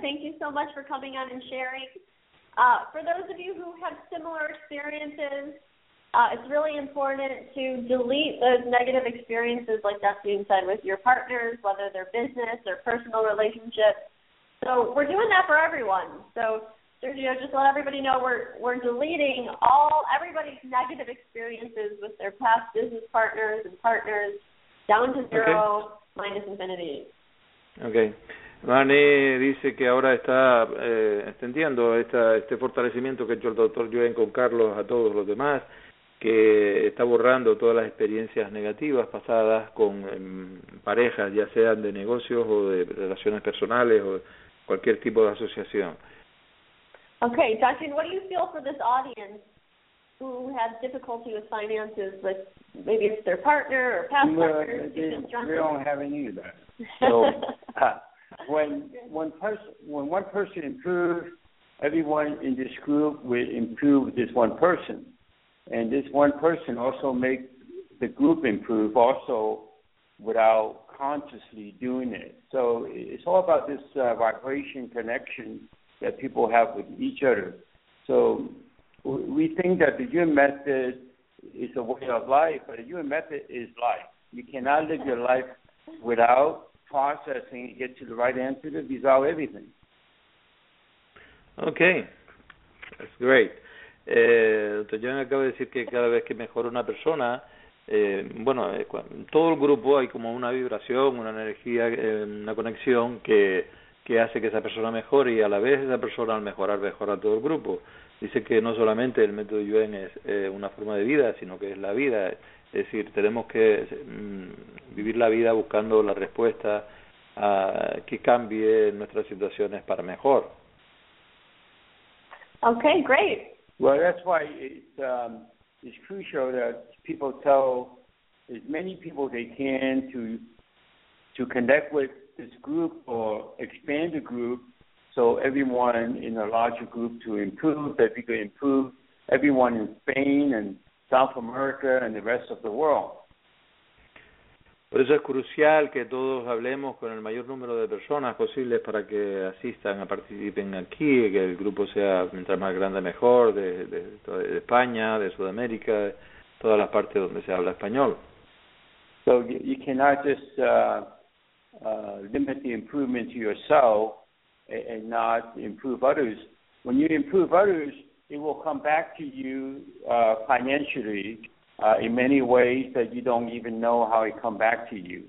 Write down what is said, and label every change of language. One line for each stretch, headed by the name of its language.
English: Thank you so much for coming on and sharing. For those of you who have similar experiences, it's really important to delete those negative experiences, like Ducky said, with your partners, whether they're business or personal relationships. So we're doing that for everyone. So Sergio, just let everybody know we're deleting everybody's negative experiences with their past business partners and partners down to zero, okay. Minus infinity. Okay.
Spanish: Manny dice que ahora está extendiendo este fortalecimiento que ha hecho el doctor Yuen con Carlos a todos los demás, que está borrando todas las experiencias negativas pasadas con parejas, ya sean de negocios o de relaciones personales o cualquier tipo de asociación.
English: Okay, Dustin, what do you feel for this audience who has difficulty with finances, with maybe it's their partner or past partner? We don't have any of that. So when one person improves, everyone in this group will improve this one person. And this one person also makes the group improve also without consciously doing it. So it's all about this vibration connection that people have with each other. So we think that the human method is a way of life, but the human method is life. You cannot live your life without processing and get to the right answer to resolve everything. Okay, that's great. Dr.
Spanish: Young acaba de decir que cada vez que mejora una persona, todo el grupo hay como una vibración, una energía, una conexión que hace que esa persona mejore, y a la vez esa persona al mejorar, mejora todo el grupo. Dice que no solamente el método Yuen es una forma de vida, sino que es la vida. Es decir, tenemos que vivir la vida buscando la respuesta a que cambie nuestras situaciones para mejor.
English: Okay, great. Well, that's why it's crucial that people tell as many people they can to connect with this group or expand the group, so everyone in a larger group to improve, that we can improve everyone in Spain and South America and the rest of the world.
Spanish: Por eso es crucial que todos hablemos con el mayor número de personas posibles para que asistan, a participen aquí, que el grupo sea mientras más grande mejor, de España, de Sudamérica, de todas las partes donde se habla español.
English: So you cannot just limit the improvement to yourself and not improve others. When you improve others, it will come back to you financially. In many ways that you don't even know how it come back to you.